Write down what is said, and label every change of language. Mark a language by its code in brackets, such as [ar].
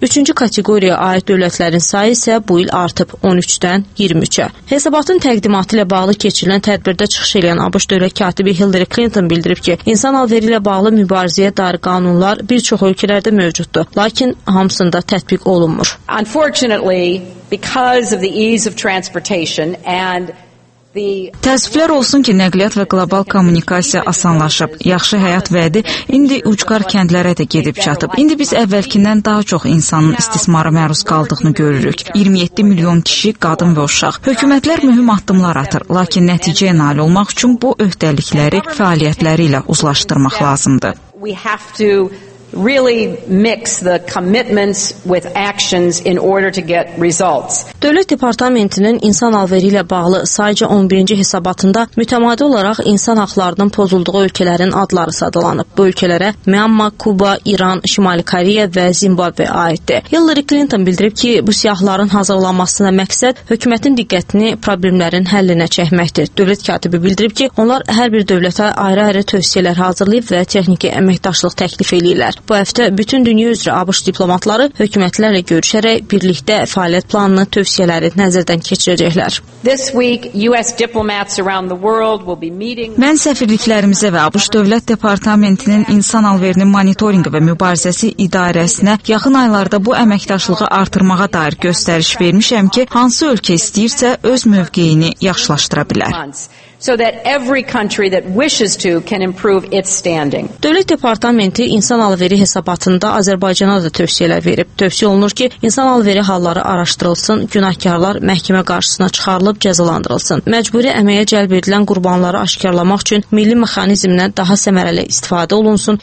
[az] Üçüncü kateqoriyaya aid dövlətlərin sayı isə bu il artıb 13-dən 23-ə. Hesabatın təqdimatı ilə bağlı keçirilən tədbirdə çıxış edən ABŞ dövlət katibi Hillary Clinton bildirib ki, insan alveri ilə bağlı mübarizəyə dair qanunlar bir çox ölkələrdə mövcuddur, lakin hamısında tətbiq olunmur. [en] Unfortunately, because of the ease of transportation and [az] təəssüflər olsun ki, nəqliyyat və qlobal kommunikasiya asanlaşıb. Yaxşı həyat vədi indi ucqar kəndlərə də gedib çatıb. İndi biz əvvəlkindən daha çox insanın istismara məruz qaldığını görürük. 27 milyon kişi, qadın və uşaq. Hökumətlər mühüm addımlar atır, lakin nəticəyə nail olmaq üçün bu öhdəlikləri fəaliyyətləri ilə uzlaşdırmaq lazımdır. Dövlət Departamentinin insan alveri ilə bağlı sayca 11-ci hesabatında mütəmadi olaraq insan haqlarının pozulduğu ölkələrin adları sadalanıb. Bu ölkələrə Myanmar, Kuba, İran, Şimali Koreya və Zimbabwe aiddir. Hillary Clinton bildirib ki, bu siyahların hazırlanmasına məqsəd hökumətin diqqətini problemlərin həllinə çəkməkdir. Dövlət katibi bildirib ki, onlar hər bir dövlətə ayrı-ayrı tövsiyələr hazırlayıb və texniki əməkdaşlıq təklif edirlər. Bu həftə bütün dünya üzrə ABŞ diplomatları hökumətlərlə görüşərək birlikdə fəaliyyət planını tövsiyələri nəzərdən keçirəcəklər. [en] This week US diplomats around the world will be meeting. [az] Mən səfirliklərimizə və ABŞ Dövlət Departamentinin insan alverinin monitorinqi və mübarizəsi idarəsinə yaxın aylarda bu əməkdaşlığı artırmağa dair göstəriş vermişəm ki, hansı ölkə istəyirsə öz mövqeyini yaxşılaşdıra bilər. [en] So that every country that wishes to can improve its standing. [az] Dövlət Departamenti insan alveri hesabatında Azərbaycana da tövsiyələr verib. Tövsiyə olunur ki, insan alveri halları araşdırılsın, günahkarlar məhkəmə qarşısına çıxarılıb cəzalandırılsın. Məcburi əməyə cəlb edilən qurbanları aşkarlamaq üçün milli mexanizmdən daha səmərəli istifadə olunsun.